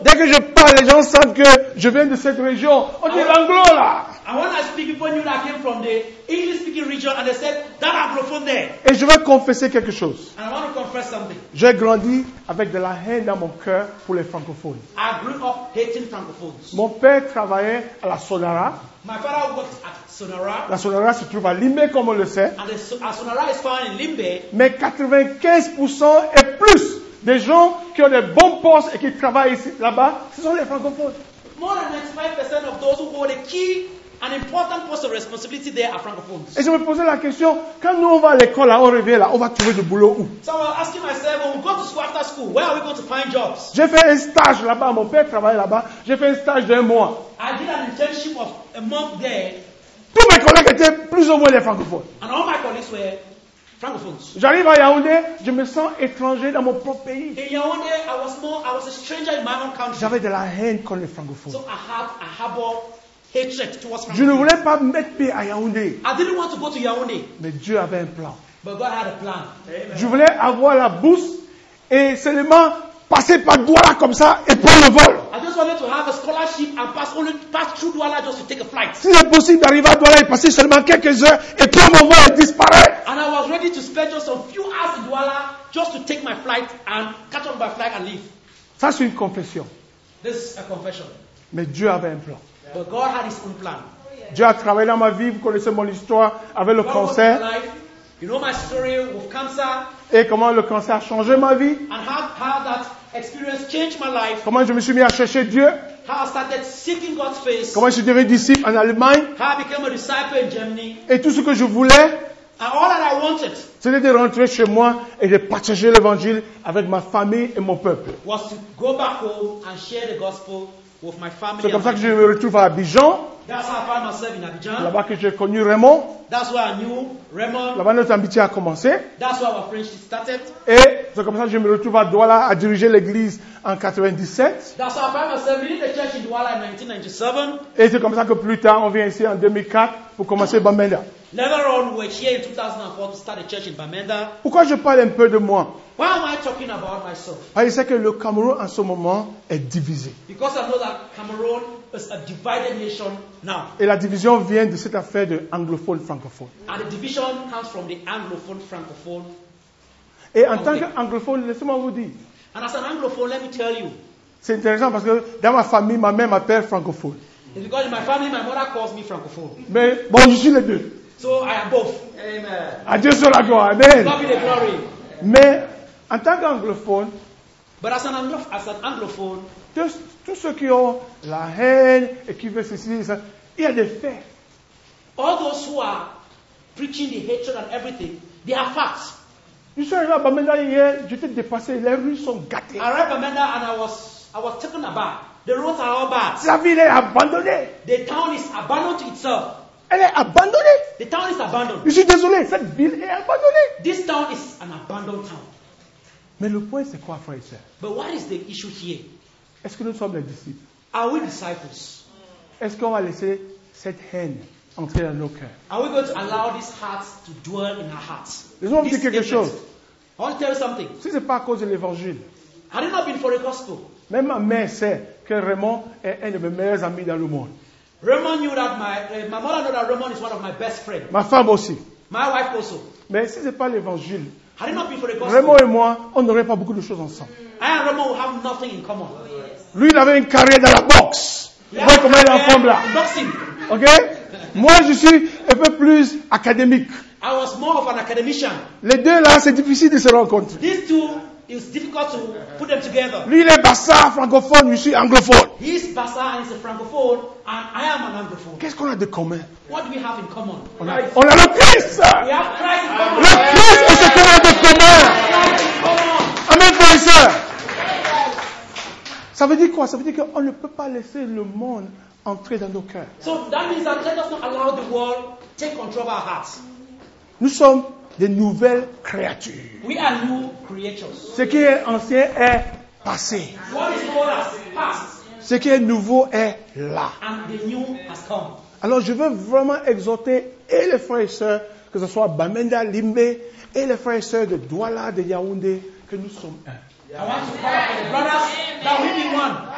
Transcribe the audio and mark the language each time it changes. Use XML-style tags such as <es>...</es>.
<fr>Dès que je parle, les gens savent que je viens de cette région. On dit anglo là.</fr> <en>And when I speak, people knew that I came from the English speaking region and they said that anglophone there.</en> <fr>Et je vais confesser quelque chose.</fr> <en>And I want to confess something.</en> <fr>J'ai grandi avec de la haine dans mon cœur pour les francophones.</fr> <en>I grew up hating francophones.</en> <fr>Mon père travaillait à la Sonara.</fr> <en>My father worked at Sonara.</en> <fr>La Sonara se trouve à Limbe, comme on le sait.</fr> <en>And the Sonara is found in Limbe.</en> <fr>Mais 95% et plus des gens qui ont des bons postes et qui travaillent ici, là-bas, ce sont les francophones.</fr> <en>More than 95% of those who hold a key and important post of responsibility there are francophones.</en> <fr>Et je me posais la question, quand nous on va à l'école, là, on revient là, on va trouver du boulot où?</fr> <en>So I was asking myself, when we go to school after school, where are we going to find jobs?</en> <fr>J'ai fait un stage là-bas, mon père travaille là-bas, j'ai fait un stage d'un mois.</fr> <en>I did an internship of a month there.</en> <fr>Tous mes collègues étaient plus ou moins les francophones.</fr> <en>And all my colleagues were francophones.</en> <fr>J'arrive à Yaoundé, je me sens étranger dans mon propre pays.</fr> <en>In Yaoundé, I was a stranger in my own country.</en> <fr>J'avais de la haine contre les francophones.</fr> <en>So I had a harbor hatred towards francophones.</en> <fr>Je ne voulais pas mettre pied à Yaoundé.</fr> <en>I didn't want to go to Yaoundé.</en> <fr>Mais Dieu avait un plan.</fr> <en>But God had a plan.</en> <fr>Amen. Je voulais avoir la bourse et seulement passer par Douala comme ça et prendre le vol.</fr> <en>I just wanted to have a scholarship and pass only pass through Douala just to take a flight.</en> <fr>Si c'est possible d'arriver à Douala et passer seulement quelques heures et prendre mon vol et disparaître.</fr> <en>And I was ready to spend just a few hours in Douala just to take my flight and catch up my flight and leave.</en> <fr>Ça c'est une confession.</fr> <en>This is a confession.</en> <fr>Mais Dieu avait un plan.</fr> <en>But God had his own plan.</en> <fr>Dieu a travaillé dans ma vie, vous connaissez mon histoire avec le cancer.</fr> <en>You know my story with cancer.</en> <fr>Et comment le cancer a changé ma vie.</fr> <en>And how that experience changed my life.</en> <fr>Comment je me suis mis à chercher Dieu.</fr> <en>How I started seeking God's face.</en> <fr>Comment je suis devenu disciple en Allemagne.</fr> <en>How I became a disciple in Germany.</en> <fr>Et tout ce que je voulais.</fr> <en>And all that I wanted.</en> <fr>C'était de rentrer chez moi et de partager l'évangile avec ma famille et mon peuple.</fr> <en>Was to go back home and share the gospel. With my family.</en> <fr>C'est comme ça que je me retrouve à Abidjan.</fr> <en>That's how I found myself in Abidjan.</en> <fr>Là-bas que j'ai connu Raymond.</fr> <en>That's where I knew Raymond.</en> <fr>Là-bas notre amitié a commencé.</fr> <en>That's where our friendship started.</en> <fr>Et c'est comme ça que je me retrouve à Douala à diriger l'église en 97.</fr> <en>That's how I found myself leading the church in Douala in 1997.</en> <fr>Et c'est comme ça que plus tard on vient ici en 2004 pour commencer Bamenda.</fr> <en>Later on, we're here in 2004 to start a church in Bamenda.</en> <fr>Pourquoi je parle un peu de moi?</fr> <en>Why am I talking about myself?</en> <fr>Parce que, le Cameroun en ce moment est divisé.</fr> <en>Because I know that Cameroon is a divided nation now.</en> <fr>Et la division vient de cette affaire de anglophone francophone.</fr> <en>And the division comes from the anglophone francophone.</en> <fr>Et en tant qu'anglophone, laissez-moi vous dire.</fr> <en>And as an anglophone, let me tell you.</en> <fr>C'est intéressant parce que dans ma famille, ma mère m'appelle francophone.</fr> <en>It's because in my family, my mother calls me francophone.</en> <fr>Mais bon, je suis les deux.</fr> <en>So I am both. Amen.</en> <fr>Adieu sur la gloire. Amen.</fr> <en>God be the glory.</en> <fr>Mais en tant qu'anglophone,</fr> <en>but as an anglophone,</en> <fr>tous ceux qui ont la haine et qui veulent ceci, ça, il y a des faits.</fr> <en>All those who are preaching the hatred and everything, they are facts.</en> <fr>Je suis arrivé à Bamenda hier, j'étais dépassé, les rues sont gâtées.</fr> <en>I arrived at Bamenda and I was taken aback. The roads are all bad.</en> <fr>La ville est abandonnée.</fr> <en>The town is abandoned to itself.</en> <fr>Elle est abandonnée.</fr> <en>The town is abandoned.</en> <fr>Je suis désolé, cette ville est abandonnée.</fr> <en>This town is an abandoned town.</en> <fr>Mais le point c'est quoi, frère et sœur?</fr> <en>But what is the issue here?</en> <fr>Est-ce que nous sommes des disciples?</fr> <en>Are we disciples?</en> <fr>Est-ce qu'on va laisser cette haine entrer dans nos cœurs?</fr> <en>Are we going to allow this heart to dwell in our hearts?</en> <fr>Laissez-moi vous dire quelque chose.</fr> <en>I want to tell you something.</en> <fr>Si c'est pas à cause de l'évangile.</fr> <en>Had it not been for the gospel.</en> <fr>Même ma mère sait que Raymond est un de mes meilleurs amis dans le monde.</fr> <en>Raymond knew that my mother knew that Raymond is one of my best friends.</en> <fr>Ma femme aussi.</fr> <en>My wife also.</en> <fr>Mais si c'est pas l'évangile.</fr> <en>Had it not been for the gospel.</en> <fr>Raymond et moi, on n'aurait pas beaucoup de choses ensemble.</fr> <en>I and Raymond have nothing in common. Oh, yes.</en> <fr>Lui, il avait une carrière dans la boxe. Yeah, vous comment il est en forme là.</fr> <en>Boxing.</en> <fr>Ok. Moi, je suis un peu plus académique.</fr> <en>I was more of an academician.</en> <fr>Les deux là, c'est difficile de se rencontrer.</fr> <en>These two, it's difficult to put them together.</en> <fr>Lui, il est bassa francophone, je suis anglophone.</fr> <en>He's bassa and he's a francophone. And I am an anglophone.</en> <fr>Qu'est-ce qu'on a de commun?</fr> <en>What do we have in common?</en> <fr>On a le Christ.</fr> <en>We have Christ in common.</en> <fr>Le Christ est ce qu'on a de commun. Amen, frère et sœur. Ça veut dire quoi? Ça veut dire qu'on ne peut pas laisser le monde entrer dans nos cœurs.</fr> <en>So that means that let us not allow the world take control of our hearts.</en> <fr>Nous sommes des nouvelles créatures.</fr> <en>We are new creatures.</en> <fr>Ce qui est ancien est passé.</fr> <en>What is old has passed.</en> <fr>Ce qui est nouveau est là.</fr> <en>And the new has come.</en> <fr>Alors je veux vraiment exhorter et les frères et sœurs, que ce soit Bamenda, Limbe, et les frères et sœurs de Douala, de Yaoundé, que nous sommes un.</fr> <en>I want to call for the brothers that we be one.</en>